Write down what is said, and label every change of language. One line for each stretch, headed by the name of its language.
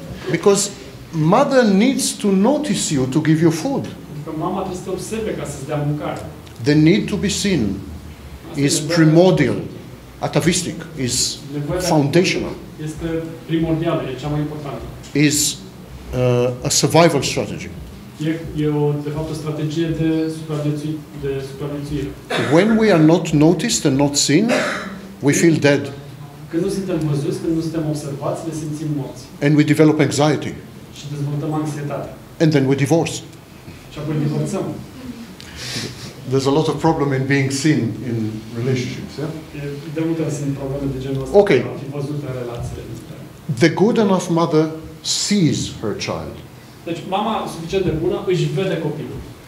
English: Because mother needs to notice you to give you food.
Romanian: Mama trebuie să te observe ca să-ți dea mâncare.
English: The need to be seen is primordial, atavistic, is foundational.
Romanian: Este primordial, e cea mai importantă.
English: Is a survival strategy.
Romanian: De fapt o strategie de supraviețuire.
English: When we are not noticed and not seen, we feel dead.
Romanian: Când nu suntem văzuți, când nu suntem observați, ne simțim morți.
English: And we develop anxiety.
Romanian: Și dezvoltăm anxietate.
English: And then we divorce.
Romanian: Divorțăm.
English: There's a lot of problem in being seen in relationships, yeah?
Romanian: De multe ori sunt probleme de genul ăsta, okay. A fi văzut în relație.
English: The good enough mother sees her child.
Romanian: Deci mama suficient de bună își vede copilul.